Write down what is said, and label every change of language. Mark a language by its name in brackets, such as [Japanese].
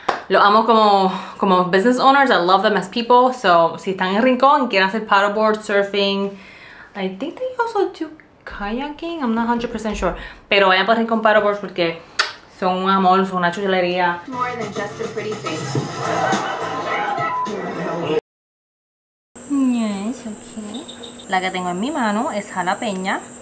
[Spanish] Lo amo como [English] business owners, I love them as people. [Spanish] So, si están en Rincón, quieren hacer paddleboard, surfing. [English] I think they also do kayaking, I'm not 100% sure. [Spanish] Pero vayan para Rincón Paddleboards porque son un amor, son una chulería. [English] More than just a pretty face. Yes, okay. [Spanish] La que tengo en mi mano es jalapeña.